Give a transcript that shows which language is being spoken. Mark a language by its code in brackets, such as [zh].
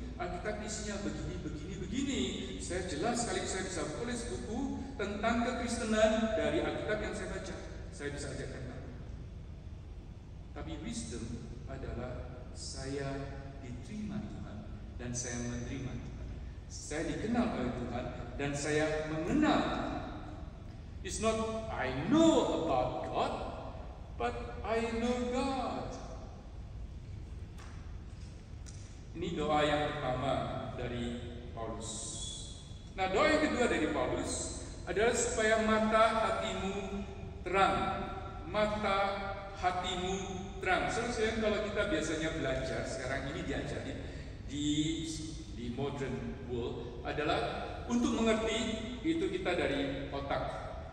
[id] Alkitab isinya begini, begini, begini. Saya jelas sekali saya bisa tulis buku tentang kekristenan dari Alkitab yang saya baca. Saya bisa ajarkan kamu. Tapi wisdom adalah saya diterima Tuhan dan saya menerima Tuhan. Saya dikenal oleh Tuhan dan saya mengenal. [en] It's not I know about God, but I know God. [id] Ini doa yang pertama dari Paulus. Nah, doa yang kedua dari Paulus adalah supaya mata hatimu terang. Mata hatimu terang. Seharusnya kalau kita biasanya belajar, sekarang ini diajarin di modern world, adalah untuk mengerti itu kita dari otak.